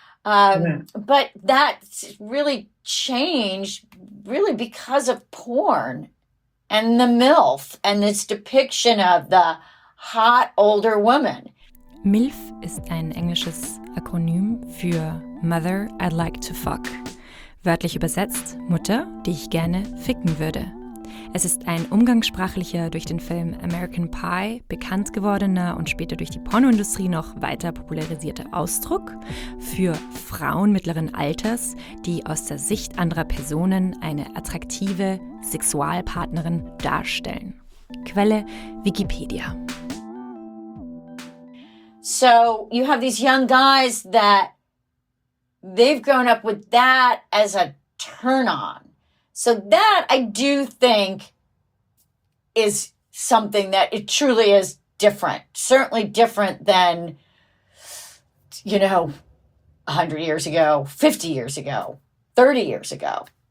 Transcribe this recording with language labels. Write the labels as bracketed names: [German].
[English] But that's really changed really because of porn and the MILF and this depiction of the hot older woman. [German] MILF ist ein englisches Akronym für [English] Mother I'd Like to Fuck. [German] Wörtlich übersetzt, Mutter, die ich gerne ficken würde. Es ist ein umgangssprachlicher, durch den Film American Pie bekannt gewordener und später durch die Pornoindustrie noch weiter popularisierter Ausdruck für Frauen mittleren Alters, die aus der Sicht anderer Personen eine attraktive Sexualpartnerin darstellen. Quelle Wikipedia. [English] So, you have these young guys that they've grown up with that as a turn on. So that I do think is something that it truly is different, certainly different than, 100 years ago, 50 years ago, 30 years ago.